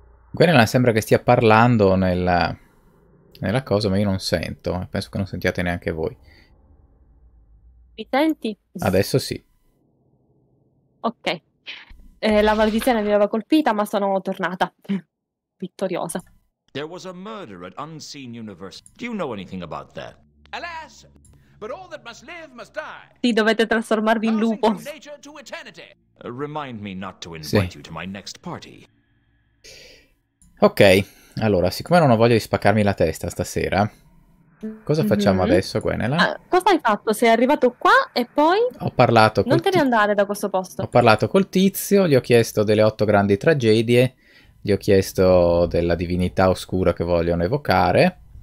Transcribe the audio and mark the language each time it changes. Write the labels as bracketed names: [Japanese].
[Italian] Guarina sembra che stia parlando nella cosa, ma io non sento. Penso che non sentiate neanche voi. Mi senti? Adesso sì. Ok. La maledizione mi aveva colpita, ma sono tornata vittoriosa. [English] There was a murder at Unseen Universe. Do you know anything about that? Alas, but all that must live must die. [Italian] Sì, dovete trasformarvi in lupo. [English] Remind me not to invite you to my next party. [Italian] Ok, allora, siccome non ho voglia di spaccarmi la testa stasera, cosa facciamo adesso, Gwenela? Cosa hai fatto? Sei arrivato qua e poi... Ho parlato col... Non te ne andare da questo posto. Ho parlato col tizio, gli ho chiesto delle 8 grandi tragedie, gli ho chiesto della divinità oscura che vogliono evocare.